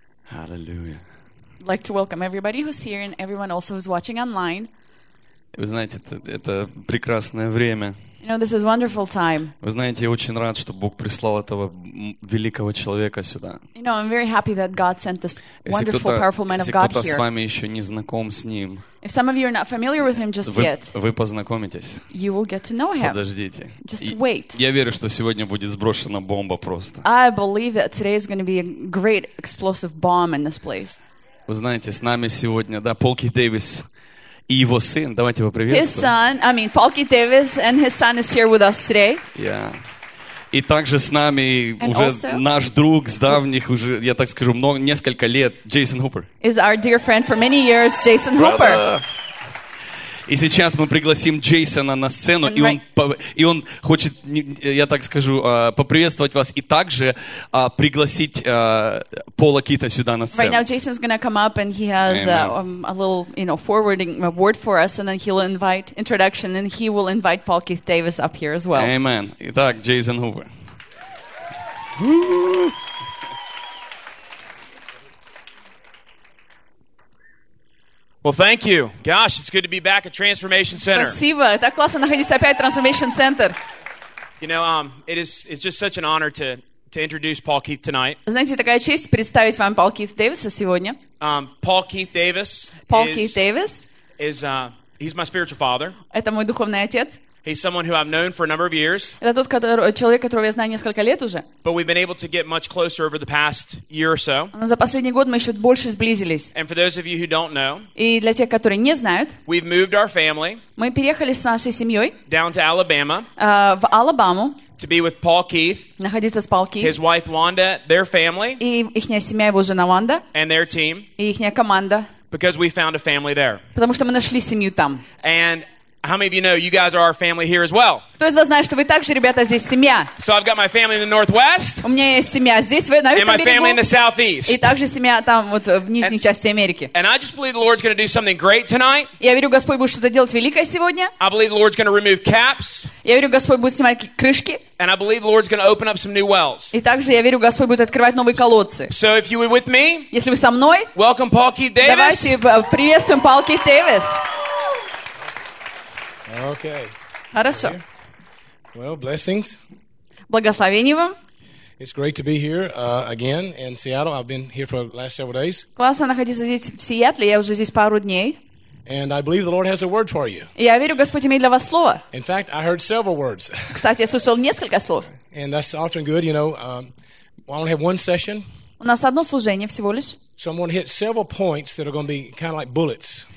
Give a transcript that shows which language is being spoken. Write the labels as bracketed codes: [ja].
[ru] Аллилуйя. [en] I'd like to welcome everybody who's here and everyone also who's watching online. [ru] Вы знаете, это прекрасное время. [en] You know, this is wonderful time. [ru] Вы знаете, я очень рад, что Бог прислал этого великого человека сюда. [en] You know, I'm very happy that God sent this wonderful, powerful man of God here. [ru] Если кто-то с вами еще не знаком с ним, [en] if some of you are not familiar with him just yet, [ru] вы познакомитесь. [en] You will get to know him. [ru] Подождите. [en] Just wait. [ru] Я верю, что сегодня будет сброшена бомба просто. [en] I believe that today is going to be a great explosive bomb in this place. [ru] Вы знаете, с нами сегодня, да, Пол Кит Дэвис. И его сын, давайте его приветствуем. [en] His son, I mean, Paul Keith Davis, and his son is here with us today. Yeah. [ru] И также с нами [en] and [ru] уже [en] also, [ru] наш друг с давних уже, я так скажу, много, несколько лет, Джейсон Хупер. [en] Is our dear friend for many years, Jason Hooper. [ru] И сейчас мы пригласим Джейсона на сцену, и он хочет, я так скажу, поприветствовать вас и также пригласить Пола Кита сюда на сцену. [en] Right now Jason's going to come up and he has a little, you know, forwarding word for us, and then he'll invite introduction, and he will invite Paul Keith Davis up here as well. [ru] Amen. Итак, Джейсон Хупер. [en] Well, thank you. Gosh, it's good to be back at Transformation Center. [ru] Спасибо. Так классно находиться опять в Transformation Center. [en] You know, it's just such an honor to introduce Paul Keith tonight. [ru] Знаете, такая честь представить вам Пол Кит Дэвиса сегодня. [en] Paul Keith Davis. Paul Keith Davis is he's my spiritual father. [ru] Это мой духовный отец. [en] He's someone who I've known for a number of years. [ru] Это тот, человек, которого я знаю несколько лет уже. [en] But we've been able to get much closer over the past year or so. [ru] Но за последний год мы еще больше сблизились. [en] And for those of you who don't know, [ru] и для тех, которые не знают, [en] we've moved our family. [ru] Мы переехали с нашей семьей [en] down to Alabama. [ru] В Алабаму. [en] To be with Paul Keith. [ru] Находиться с Paul Keith. [en] His wife Wanda, their family. [ru] И ихняя семья, его жена Wanda. [en] And their team. [ru] И ихняя команда. [en] Because we found a family there. [ru] Потому что мы нашли семью там. [en] And how many of you know you guys are our family here as well? [ru] Кто из вас знает, что вы также, ребята, здесь семья? [en] So I've got my family in the northwest. [ru] У меня есть семья здесь, на Южном берегу. [en] And my family in the southeast. [ru] И также семья там вот в нижней части Америки. [en] And I just believe the Lord's going to do something great tonight. [ru] Я верю, Господь будет что-то делать великое сегодня. [en] I believe the Lord's going to remove caps. [ru] Я верю, Господь будет снимать крышки. [en] And I believe the Lord's going to open up some new wells. [ru] И также я верю, Господь будет открывать новые колодцы. [en] So if you were with me, [ru] если вы со мной, [en] welcome Paul Keith Davis. [ru] Давайте приветствуем Paul Keith Davis. [en] Okay. [ru] Хорошо. [en] Well, blessings. [ru] Благословение вам. [en] It's great to be here again in Seattle. I've been here for the last several days. [ru] Классно находиться здесь в Сиэтле. Я уже здесь пару дней. [en] And I believe the Lord has a word for you. [ru] Я верю, Господь имеет для вас слово. [en] In fact, I heard several words. [ru] Кстати, я слышал несколько слов. [en] And that's often good, you know. I only have one session. [ru] У нас одно служение всего лишь. [en] So I'm going to hit several points that are going to be kind of like bullets.